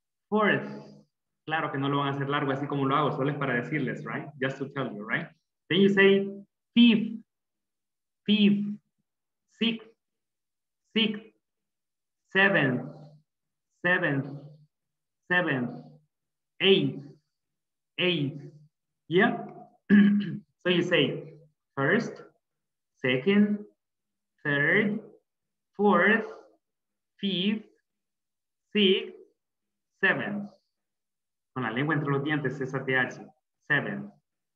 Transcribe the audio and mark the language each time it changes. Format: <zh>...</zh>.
<es>Claro que no lo van a hacer largo, así como lo hago, solo es para decirles, right?</es> <en>Just to tell you, right? Then you say, fifth, sixth, seventh, eighth, yeah? So you say, first, second, third, fourth, fifth, sixth, seventh.</en> <es>con la lengua entre los dientes, esa TH, 7, ¿ya?</es>